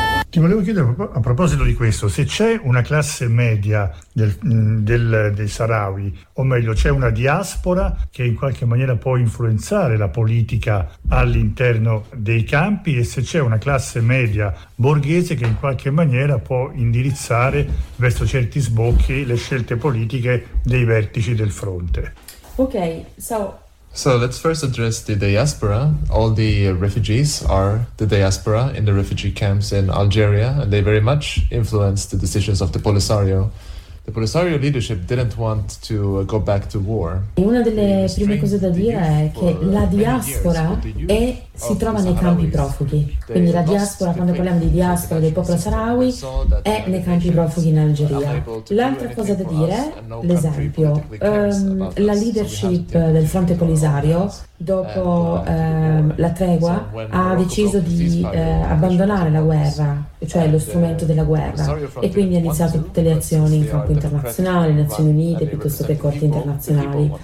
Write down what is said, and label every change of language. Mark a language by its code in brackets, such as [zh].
[it] Ti volevo chiedere a proposito di questo, se c'è una classe media dei Sahrawi, o meglio c'è una diaspora che in qualche maniera può influenzare la politica all'interno dei campi e se c'è una classe media borghese che in qualche maniera può indirizzare verso certi sbocchi le scelte politiche dei vertici del fronte. [en] Ok, So let's first address the diaspora. All the refugees are the diaspora in the refugee camps in Algeria, and they very much influenced the decisions of the Polisario. The Polisario leadership didn't want to go back to war. [it] Una delle prime cose da dire è che la diaspora si trova nei campi profughi. Quindi la diaspora, quando parliamo di diaspora del popolo sahrawi, è nei campi profughi in Algeria. L'altra cosa da dire, l'esempio, la leadership del fronte Polisario, dopo la tregua, ha deciso di abbandonare la guerra, cioè lo strumento della guerra, e quindi ha iniziato tutte le azioni in campo internazionale, Nazioni Unite, piuttosto che corti internazionali.